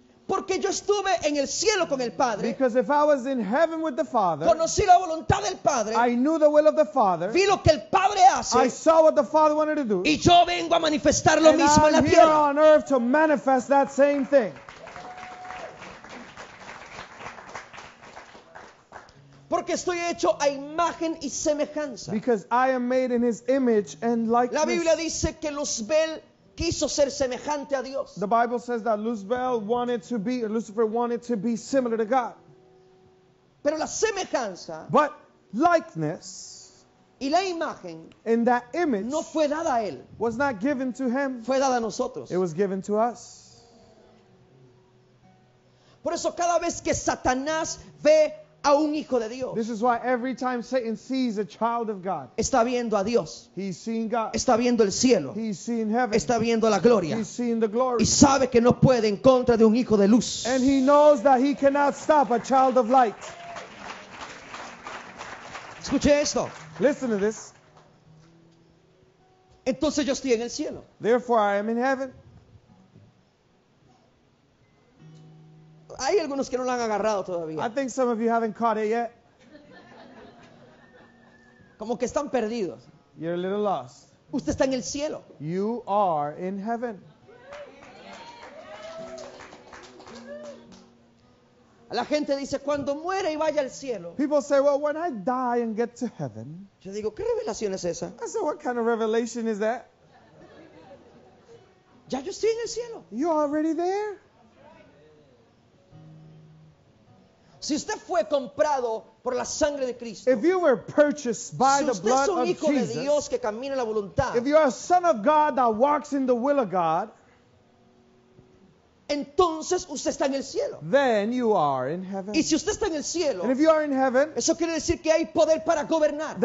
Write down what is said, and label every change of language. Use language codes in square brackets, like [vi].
[es] Porque yo estuve en el cielo con el Padre. [en] Because if I was in heaven with the Father, [es] conocí la voluntad del Padre. [en] I knew the will of the Father. [es] Vi lo que el Padre hace. [en] I saw what the Father wanted to do. [es] Y yo vengo a manifestar lo mismo en la tierra. [en] And I'm here on earth to manifest that same thing. [es] Porque estoy hecho a imagen y semejanza. [en] Because I am made in His image and likeness. [es] La Biblia dice que Luzbel quiso ser semejante a Dios. [en] The Bible says that Lucifer wanted to be similar to God. [es] Pero la semejanza, [en] but likeness, [es] y la imagen, [en] in that image, [es] no fue dada a él. [en] Was not given to him. [es] Fue dada a nosotros. [en] It was given to us. [es] Por eso cada vez que Satanás ve a un hijo de Dios. [en] This is why every time Satan sees a child of God, [es] está viendo a Dios. [en] He's seeing God. [es] Está viendo el cielo. [en] He's seeing heaven. [es] Está viendo la gloria. [en] He's seeing the glory. [es] Y sabe que no puede en contra de un hijo de luz. [en] And he knows that he cannot stop a child of light. [es] Escuche esto. [en] Listen to this. [es] Entonces yo estoy en el cielo. [en] Therefore I am in heaven. [es] Hay algunos que no lo han agarrado todavía. [en] I think some of you haven't caught it yet. [es] Como que están perdidos. [en] You're a little lost. [es] Usted está en el cielo. [en] You are in heaven. [es] La gente dice, cuando muera y vaya al cielo. [en] People say, well, when I die and get to heaven. [es] Yo digo, ¿qué revelación es esa? [en] I say, what kind of revelation is that? [es] Ya yo estoy en el cielo. [en] You're already there. [es] Si usted fue comprado por la sangre de Cristo. [en] If you were purchased by [es] si [en] the blood of Jesus. [es] Si usted es un hijo de Dios que camina la voluntad. [en] If you're a son of God that walks in the will of God. [es] Entonces usted está en el cielo. [en] Then you are in heaven. [es] Y si usted está en el cielo, [en] and if you are in heaven, [es] eso quiere decir que hay poder para gobernar.